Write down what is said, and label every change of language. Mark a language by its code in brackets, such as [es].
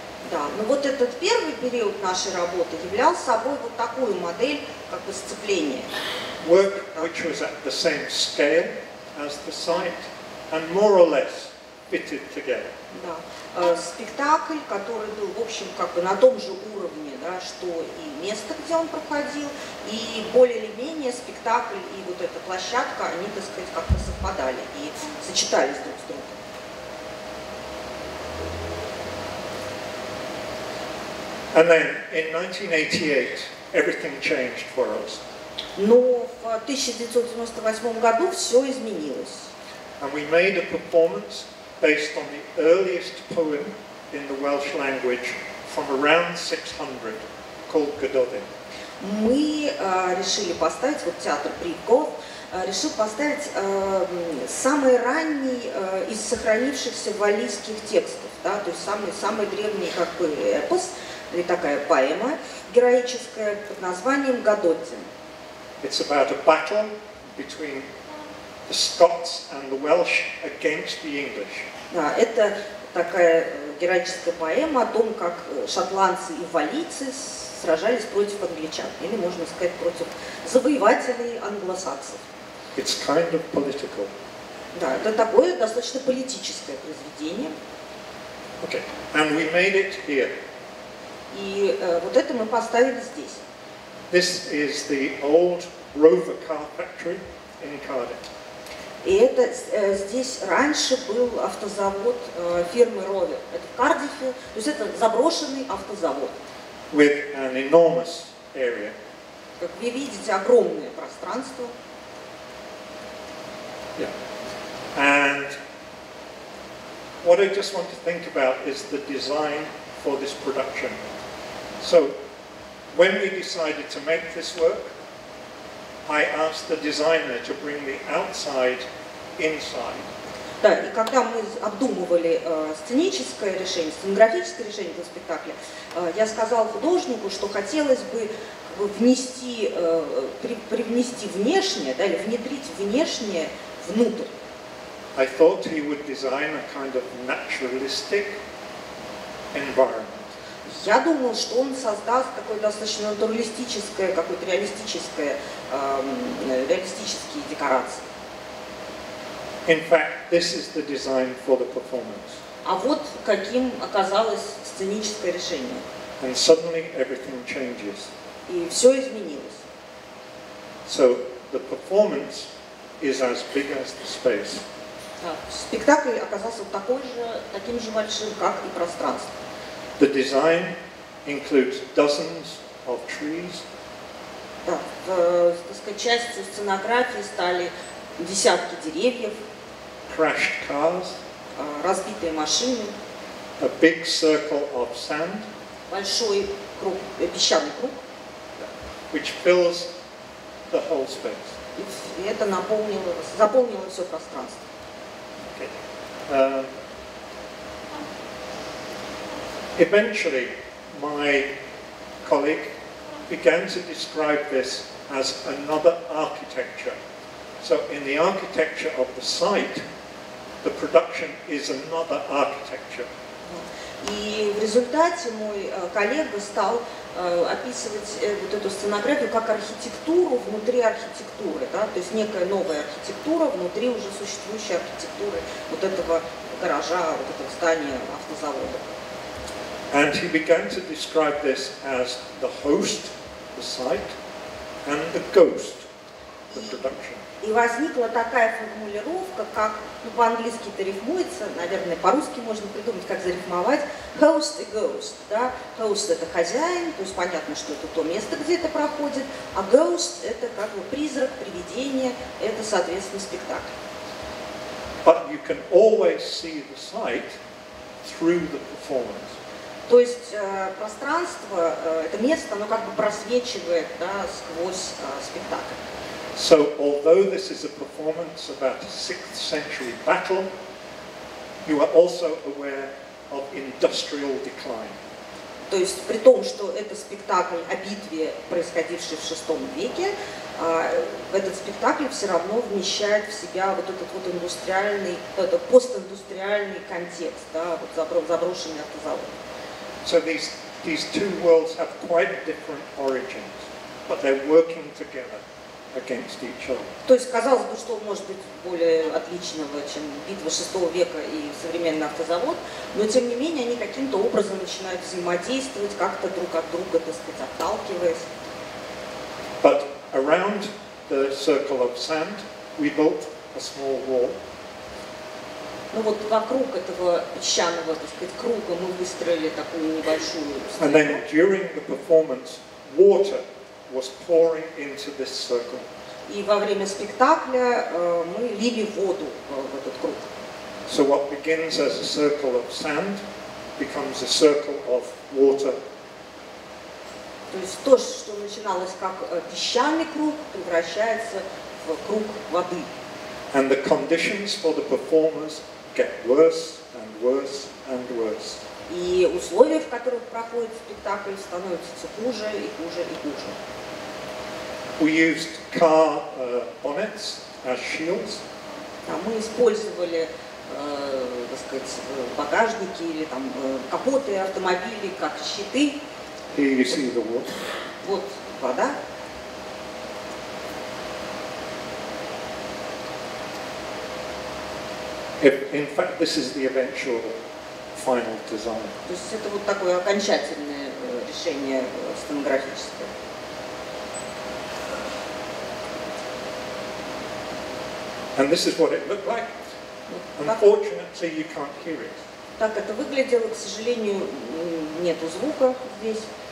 [ru] Да, но вот этот первый период нашей работы являл собой вот такую модель, как бы сцепление. [en] Work, which was at the same scale as the site, and more or less fitted together. [ru] Да, спектакль, который был, в общем, как бы на том же уровне, да, что и место, где он проходил, и более или менее спектакль и вот эта площадка, они, так сказать, как-то совпадали и сочетались друг с другом. [en] And then, in 1988, everything changed for us. [ru] Но в 1998 году все изменилось. [en] And we made a performance based on the earliest poem in the Welsh language from around 600, called Gododdin. [ru] Мы решили поставить, вот театр Приков, решил поставить самый ранний из сохранившихся валлийских текстов, да, то есть самый древний, как бы, эпос, или такая поэма героическая под названием Гододдин. [en] It's about a battle between the Scots and the Welsh against the English. [ru] Да, это такая героическая поэма о том, как шотландцы и валлийцы сражались против англичан, или можно сказать против завоевателей англосаксов. [en] It's kind of political. [ru] Да, это такое достаточно политическое произведение. [en] Okay, and we made it here. [ru] И вот это мы поставили здесь. [en] This is the old Rover car factory in Cardiff. [ru] И это здесь раньше был автозавод фирмы Rover. Это в Кардиффе, то есть это заброшенный автозавод. [en] With an enormous area. [ru] Как вы видите, огромное пространство. [en] Yeah. And what I just want to think about is the design for this production. So, when we decided to make this work, I asked the designer to bring the outside inside. [ru] Да, и когда мы обдумывали сценическое решение, сценографическое решение для спектакля, я сказал художнику, что хотелось бы внести, привнести внешнее, да, или внедрить внешнее внутрь. [en] I thought he would design a kind of naturalistic environment. [ru] Я думал, что он создаст такое достаточно натуралистическое, какое-то реалистическое, реалистические декорации. [en] In fact, this is the design for the performance. [ru] А вот каким оказалось сценическое решение. [en] And suddenly everything changes. [ru] И все изменилось. [en] So the performance is as big as the space. [ru] Спектакль оказался таким же большим, как и пространство. [en] The design includes dozens of trees. [ru] Так, частью сценографии стали десятки деревьев. [en] Crashed cars. [ru] Разбитые машины. [en] A big circle of sand. [ru] Большой круг, песчаный круг. [en] Which fills the whole space. [ru] И это заполнило все пространство. [en] Eventually, my colleague began to describe this as another architecture. So in the architecture of the site, the production is another architecture. [ru] И в результате мой коллега стал описывать вот эту сценографию как архитектуру внутри архитектуры, да, то есть некая новая архитектура внутри уже существующей архитектуры вот этого гаража, вот этого здания автозавода. [en] And he began to describe this as the host, the site, and the ghost, the production. [ru] И возникла такая формулировка, как, ну, по-английски это рифмуется, наверное, по-русски можно придумать, как зарифмовать, host и ghost, да, host это хозяин, то есть понятно, что это то место, где это проходит, а ghost это как бы призрак, привидение, это, соответственно, спектакль. [en] But you can always see the site through the performance. [ru] То есть пространство, это место, оно как бы просвечивает, да, сквозь спектакль. [en] So, although this is a performance about a 6th century battle, you are also aware of industrial decline. [ru] То есть, при том, что это спектакль о битве, происходившей в 6 веке, этот спектакль все равно вмещает в себя вот этот вот индустриальный, этот постиндустриальный контекст, да, вот заброшенный автозавод. [en] So, these two worlds have quite different origins, but they're working together. Against each other. [ru] То есть казалось бы, что может быть более отличного, чем битва 6 века и современный автозавод, но тем не менее они каким-то образом начинают взаимодействовать, как-то друг от друга, так сказать, отталкиваясь. [en] But around the circle of sand we built a small wall. [ru] Ну вот вокруг этого песчаного, так сказать, круга мы выстроили такую небольшую стену. [en] And then during the performance water was pouring into this circle. [ru] И во время спектакля мы лили воду в этот круг. [en] So what begins as a circle of sand becomes a circle of water. [ru] То есть то, что начиналось как песчаный круг, превращается в круг воды. [en] And the conditions for the performers get worse and worse and worse. [ru] И условия, в которых проходит спектакль, становятся все хуже и хуже и хуже. [en] We used car bonnets as shields. [ru] Мы использовали, так сказать, багажники или там капоты автомобилей как щиты. [en] Here you see the water. [ru] Вот вода. [en] In fact, this is the eventual final design. [ru] То есть это вот такое окончательное решение сценографическое. [en] And this is what it looked like. Unfortunately, you can't hear it. [ru] Так это выглядело, к сожалению, нету звука здесь.